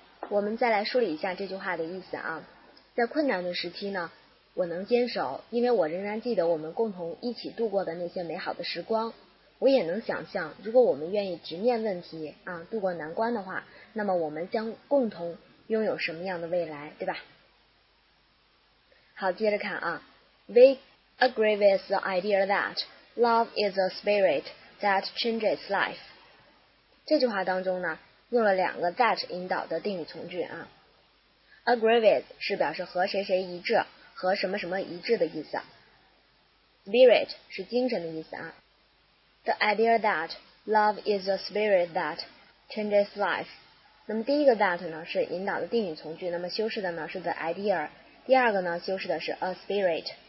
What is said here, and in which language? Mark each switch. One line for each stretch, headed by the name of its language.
Chinese: 我们再来梳理一下这句话的意思啊。在困难的时期呢，我能坚守，因为我仍然记得我们共同一起度过的那些美好的时光。我也能想象，如果我们愿意直面问题啊，度过难关的话，那么我们将共同拥有什么样的未来，对吧？好，接着看啊。
English: We agree with the idea that love is a spirit that changes life。
Chinese: 这句话当中呢用了两个 that 引导的定语从句啊。 agree with 是表示和谁谁一致，和什么什么一致的意思。 spirit 是精神的意思啊。
English: the idea that love is a spirit that changes life，
Chinese: 那么第一个 that 呢是引导的定语从句，那么修饰的呢是
English: the idea，
Chinese: 第二个呢修饰的是
English: a spirit。